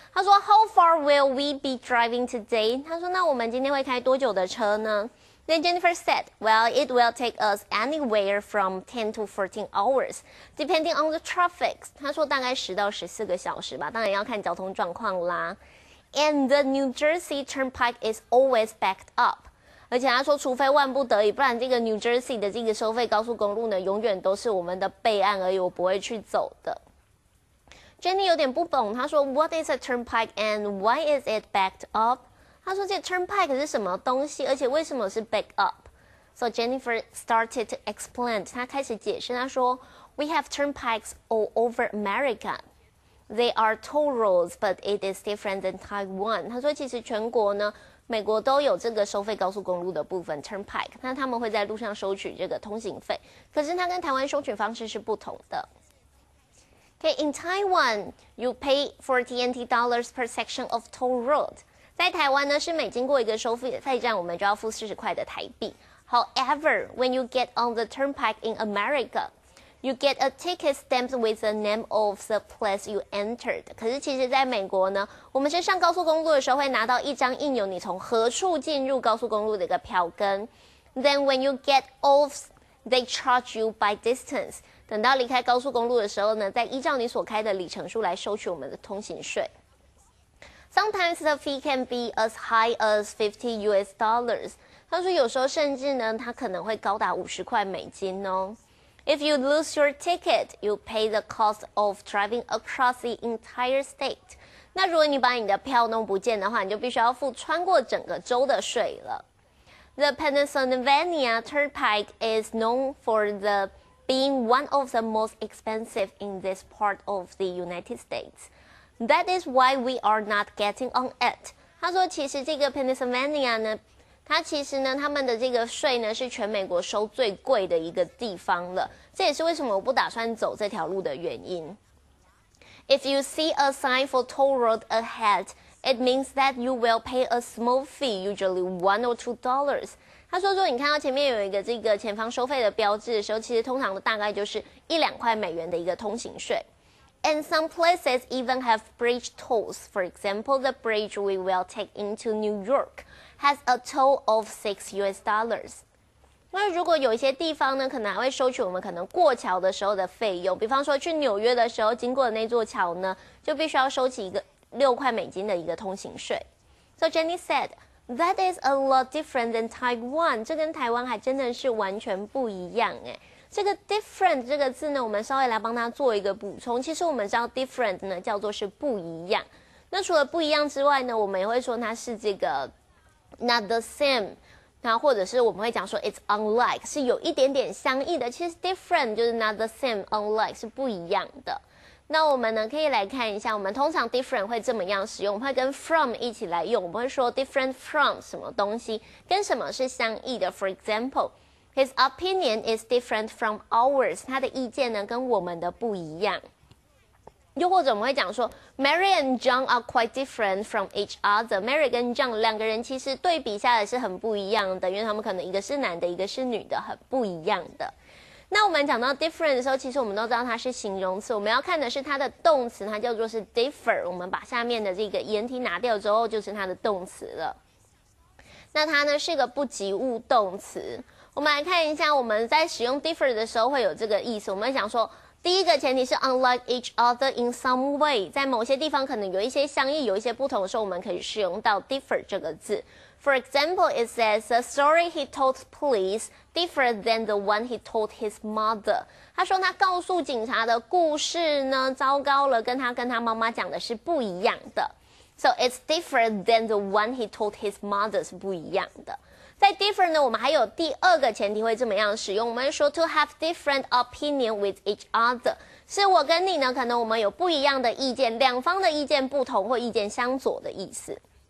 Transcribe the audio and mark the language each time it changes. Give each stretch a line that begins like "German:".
Chinese: 她说
English: How far will we be driving today?
Chinese: 她说那我们今天会开多久的车呢？
English: Then Jennifer said, Well, it will take us anywhere from 10 to 14 hours, depending on the traffic.
Chinese: 她说大概10到14个小时吧，当然要看交通状况啦。
English: And the New Jersey Turnpike is always backed up.
Chinese: 而且她说除非万不得已，不然这个 New Jersey 的这个收费高速公路呢，永远都是我们的备案而已，我不会去走的。
English: Jenny
Chinese: 有点不懂，她说
English: What is a turnpike and why is it backed up?
Chinese: 她说这 turnpike 是什么东西，而且为什么是 backed up?
English: So Jennifer started to explain,
Chinese: 她开始解释，她说
English: We have turnpikes all over America. They are toll roads, but it is different than Taiwan.
Chinese: 她说其实全国呢，美国都有这个收费高速公路的部分 turnpike， 那他们会在路上收取这个通行费，可是它跟台湾收取方式是不同的。
English: Okay, in Taiwan, you pay $40 per section of toll road.
Chinese: 在台湾呢，是每经过一个收费站，我们就要付40块的台币。
English: However, when you get on the turnpike in America, you get a ticket stamped with the name of the place you entered.
Chinese: 可是其实在美国呢，我们是上高速公路的时候会拿到一张印有你从何处进入高速公路的一个票根。
English: Then when you get off, they charge you by distance.
Chinese: 等到离开高速公路的时候呢，再依照你所开的里程数来收取我们的通行税。
English: Sometimes the fee can be as high as $50.
Chinese: 他说有时候甚至呢，它可能会高达50块美金哦。
English: If you lose your ticket, you pay the cost of driving across the entire state.
Chinese: 那如果你把你的票弄不见的话，你就必须要付穿过整个州的税了。
English: The Pennsylvania Turnpike is known for being one of the most expensive in this part of the United States. That is why we are not getting on it.
Chinese: 他说其实这个 Pennsylvania 呢，它其实呢，他们的这个税呢是全美国收最贵的一个地方了。这也是为什么我不打算走这条路的原因。
English: If you see a sign for toll road ahead, It means that you will pay a small fee, usually $1 or $2.
Chinese: 他说说你看到前面有一个这个前方收费的标志的时候，其实通常的大概就是一两块美元的一个通行税。
English: And some places even have bridge tolls. For example, the bridge we will take into New York has a toll of $6.
Chinese: 那如果有一些地方呢，可能还会收取我们可能过桥的时候的费用。比方说去纽约的时候，经过的那座桥呢，就必须要收起一个$6的一个通行税。
English: So Jenny said, that is a lot different than Taiwan.
Chinese: 这跟台湾还真的是完全不一样耶。这个 different 这个字呢，我们稍微来帮它做一个补充。其实我们知道 different 呢叫做是不一样。那除了不一样之外呢，我们也会说它是这个
English: not the same。
Chinese: 那或者是我们会讲说 it's unlike, 是有一点点相异的。其实 different 就是 not the same, unlike 是不一样的。那我们呢可以来看一下，我们通常 different 会怎么样使用，我们会跟 from 一起来用，我们会说 different from 什么东西，跟什么是相异的。
English: For example, his opinion is different from ours,
Chinese: 他的意见呢跟我们的不一样。又或者我们会讲说
English: Mary and John are quite different from each other.
Chinese: Mary 跟 John 两个人其实对比下来是很不一样的，因为他们可能一个是男的一个是女的，很不一样的。那我们讲到 different 的时候，其实我们都知道它是形容词，我们要看的是它的动词，它叫做是 differ。我们把下面的这个延体拿掉之后就是它的动词了。那它呢是个不及物动词。我们来看一下，我们在使用 differ 的时候会有这个意思。我们想说第一个前提是
English: unlike each other in some way,
Chinese: 在某些地方可能有一些相异，有一些不同的时候，我们可以使用到 differ 这个字。
English: For example, it says, the story he told police differed than the one he told his mother.
Chinese: 他说他告诉警察的故事呢，糟糕了，跟他妈妈讲的是不一样的。
English: So it's different than the one he told his mother,
Chinese: 是不一样的。在 different 呢，我们还有第二个前提会怎么样使用，我们说
English: to have different opinion with each other,
Chinese: 是我跟你呢可能我们有不一样的意见，两方的意见不同或意见相左的意思。